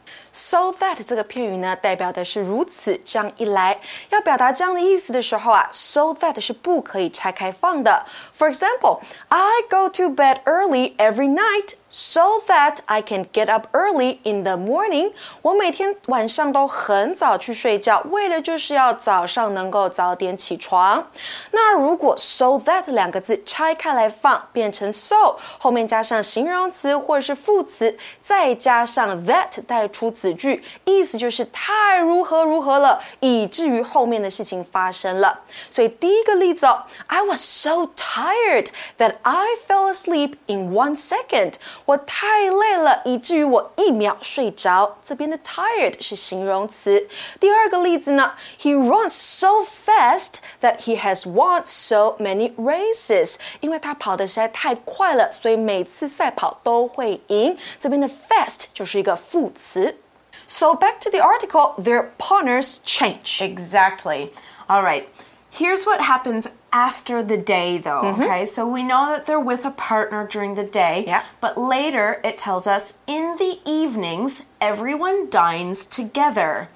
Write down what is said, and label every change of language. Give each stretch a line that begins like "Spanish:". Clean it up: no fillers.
English: So that
Chinese: 这个片语呢代表的是如此这样一来。要表达这样的意思的时候啊 ,
English: so that
Chinese: 是不可以拆开放的。
English: For example, I go to bed early every night so that I can get up early in the morning.
Chinese: 我每天晚上都很早去睡觉为的就是要早上能够早点起床。那如果
English: so that
Chinese: 两个字拆开来放变成 so, 后面加上形容词或者是副词再加上 that 带出子句意思就是太如何如何了以至于后面的事情发生了。所以第一个例子哦
English: ,I was so tired that I fell asleep in 1 second.
Chinese: 我太累了以至于我一秒睡着。这边的
English: tired
Chinese: 是形容词。第二个例子呢
English: ,He runs so fast that he has won so many races.
Chinese: 因为他跑得实在太快了所以每次赛跑都会赢。这边的 fast 就是一个副词。
English: So back to the article, their partners change. Exactly. All right. Here's what happens after the day, though, mm-hmm. okay? So we know that they're with a partner during the day. Yeah. But later, it tells us, in the evenings, everyone dines together.